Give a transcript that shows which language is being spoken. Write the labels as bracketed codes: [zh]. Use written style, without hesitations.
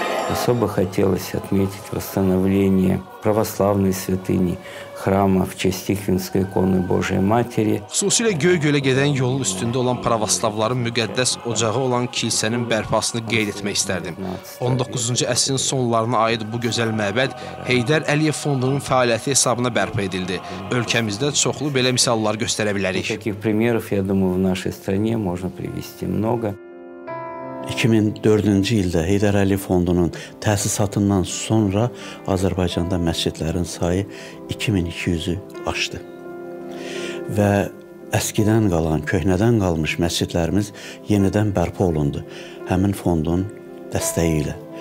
[ru] Особо хотелось отметить восстановление православной святыни храма в честь Тихвинской иконы Божией Матери. [az] Xüsusilə Göygölə gedən yolun üstündə olan pravoslavların müqəddəs ocağı olan kilsənin bərpasını qeyd etmək istərdim. 19-cu əsrin sonlarına aid bu gözəl məbəd Heydər Əliyev Fondunun fəaliyyəti hesabına bərpa edildi. Ölkəmizdə çoxlu belə misallar göstərə bilərik. [ru] Таких примеров, я думаю, в нашей стране можно привести много. [az] 2004-cü ildə Heydər Əliyev Fondunun təsisatından sonra Azərbaycanda məscidlərin sayı 2200-ü aşdı. Və əskidən qalan, köhnədən qalmış məscidlərimiz yenidən bərpa olundu həmin fondun dəstəyi ilə.